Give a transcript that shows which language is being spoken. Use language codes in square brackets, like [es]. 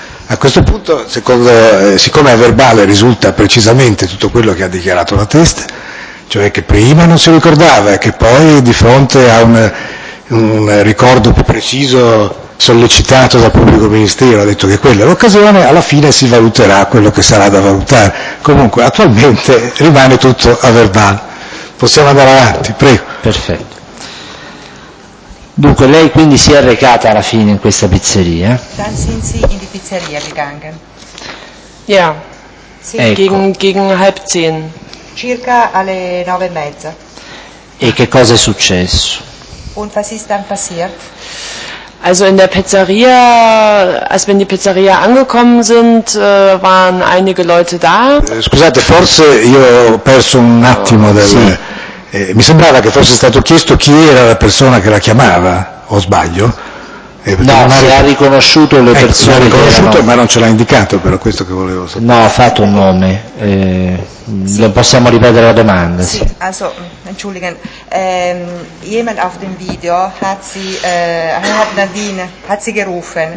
[it] A questo punto, siccome a verbale risulta precisamente tutto quello che ha dichiarato la teste, cioè che prima non si ricordava e che poi di fronte a un ricordo più preciso sollecitato dal pubblico ministero ha detto che quella è l'occasione, alla fine si valuterà quello che sarà da valutare. Comunque attualmente rimane tutto a verbale. Possiamo andare avanti, prego. Perfetto. Dunque, lei quindi si è recata alla fine in questa pizzeria? [de] Dann sind Sie in die Pizzeria gegangen. Ja. [it] Sì, ecco. [de] gegen halb zehn. [it] Circa alle 9:30. E che cosa è successo? [de] Und was ist dann passiert? Also in der Pizzeria, als wir in die Pizzeria angekommen sind, waren einige Leute da. [it] Scusate, forse io ho perso un attimo mi sembrava che fosse stato chiesto chi era la persona che la chiamava, o sbaglio? Ha riconosciuto le persone. L'ha riconosciuto, ma non ce l'ha indicato, però questo che volevo sapere. No, ha fatto un nome. Sì. Possiamo ripetere la domanda? Sì, [de] also, entschuldigen. Jemand auf dem Video hat Nadine, hat sie gerufen.